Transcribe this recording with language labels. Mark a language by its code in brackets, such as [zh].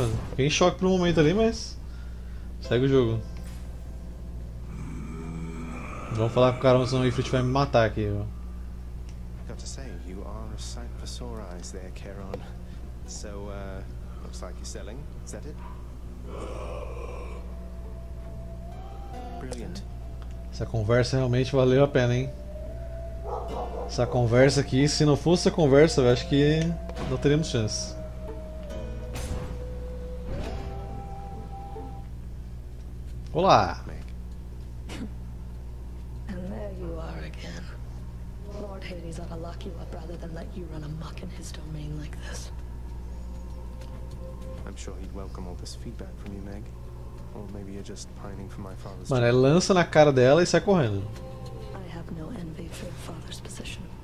[pt] Fiquei em choque por um momento ali, mas segue o jogo. Vamos falar com o cara, senão o Ifrit vai me matar aqui. [en] Got to say, you are a sight for sore eyes there, Charon. So, looks like you're selling. Is that it? Brilliant. [pt] Essa conversa realmente valeu a pena, hein? Essa conversa aqui, se não fosse a conversa, eu acho que não teríamos chance. Olá. [en] And there you are again. Lord Hades ought to lock you up rather than let you run amok in his domain like this. I'm sure he'd welcome all this feedback from you, Meg. Or maybe you're just pining for my father's. [pt] Mano, ele lança na cara dela e sai correndo. [en] I have no envy for your father's position.